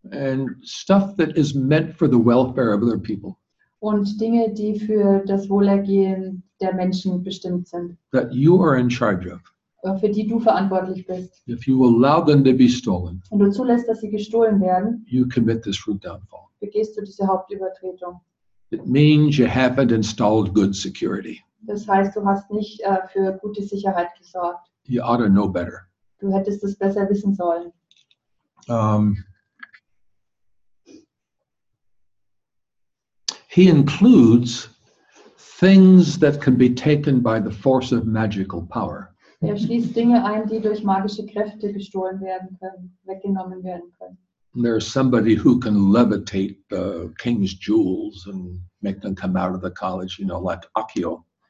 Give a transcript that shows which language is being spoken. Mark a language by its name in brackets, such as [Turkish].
[English] And stuff that is meant for the welfare of other people. [German] Und Dinge, die für das Wohlergehen der Menschen bestimmt sind. [English] That you are in charge of. [German] Für die du verantwortlich bist. [English] If you allow them to be stolen, [German] und du zulässt, dass sie gestohlen werden, [English] you commit this root downfall. [German] begehst du diese Hauptübertretung? [English] It means you haven't installed good security. [German] Das heißt, du hast nicht für gute Sicherheit gesorgt. [English] You ought to know better. [German] Du hättest es besser wissen sollen. [English] He includes things that can be taken by the force of magical power. [German] Er schließt Dinge ein, die durch magische Kräfte gestohlen werden können, weggenommen werden können. [English] There's somebody who can levitate the king's jewels and make them come out of the college, you know, like Akio.